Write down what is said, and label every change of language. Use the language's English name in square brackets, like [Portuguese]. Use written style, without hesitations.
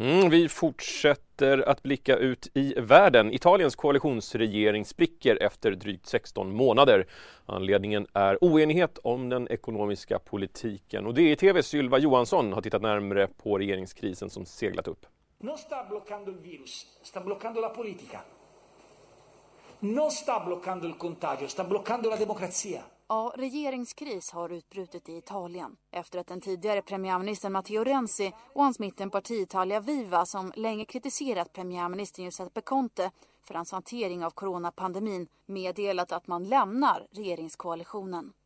[Swedish] Vi fortsätter att blicka ut i världen. Italiens koalitionsregering spricker efter drygt 16 månader. Anledningen är oenighet om den ekonomiska politiken. Och det är TV Sylva Johansson har tittat närmare på regeringskrisen som seglat upp. [Italian] Non sta bloccando il virus, sta bloccando la politica. Non sta bloccando il contagio, sta bloccando la democrazia. [Swedish] Ja, regeringskris har utbrutit i Italien efter att den tidigare premiärministern Matteo Renzi och hans mittenparti Italia Viva, som länge kritiserat premiärministern Giuseppe Conte för hans hantering av coronapandemin, meddelat att man lämnar regeringskoalitionen.